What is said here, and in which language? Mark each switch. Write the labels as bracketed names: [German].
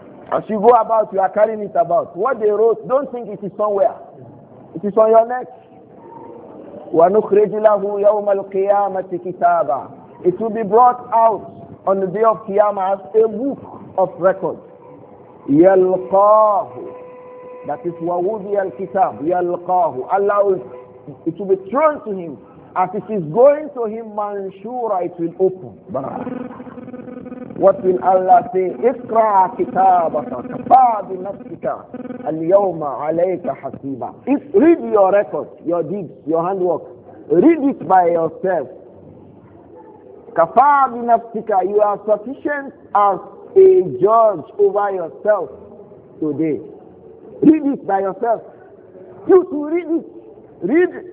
[English] As you go about, you are carrying it about. What they wrote, don't think it is somewhere. It is on your neck. [Arabic] وَنُخْرِجِ لَهُ يَوْمَ الْقِيَامَةِ كِتَابًا. [English] It will be brought out on the day of Qiyamah as a book of record. [Arabic] يَلْقَاهُ. [English] That is [Arabic] وَوُضِيَ الْكِتَابُ يَلْقَاهُ. [English] Allah will, it will be thrown to him. As it is going to him, [Arabic] مَنْشُورًا, [English] it will open. What will Allah say? [Arabic] اقرأ كتابك كفى بنفسك اليوم عليك حسيبا. [English] Read your record, your deeds, your handwork. Read it by yourself. [Arabic] كفى بنفسك. [English] You are sufficient as a judge over yourself today. Read it by yourself. You to read it. Read.